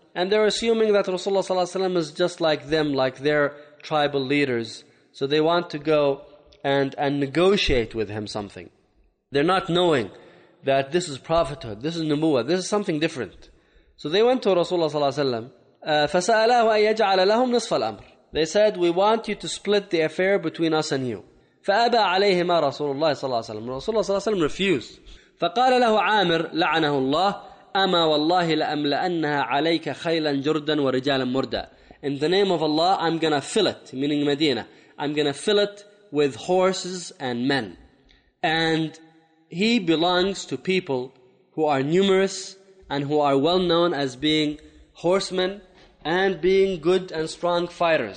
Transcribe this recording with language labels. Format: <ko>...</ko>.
<en>And they're assuming that Rasulullah صلى الله عليه وسلم is just like them, like their tribal leaders. So they want to go and negotiate with him something. They're not knowing that this is prophethood, this is nubuwwah, this is something different. So they went to Rasulullah sallallahu alaihi wasallam.</en> <ar>فسألاه أن يجعل لهم نصف الأمر.</ar> <en>They said, we want you to split the affair between us and you.</en> <ar>فأبى عليهما رسول الله صلى الله عليه وسلم. رسول الله صلى الله عليه وسلم</ar> <en>refused.</en> <ar>فقال له عامر لعنه الله أما والله لأملأنها عليك خيلا جردا ورجالا مردا.</ar> <en>In the name of Allah, I'm gonna fill it, meaning Medina. I'm gonna fill it with horses and men. And he belongs to people who are numerous and who are well known as being horsemen and being good and strong fighters.</en>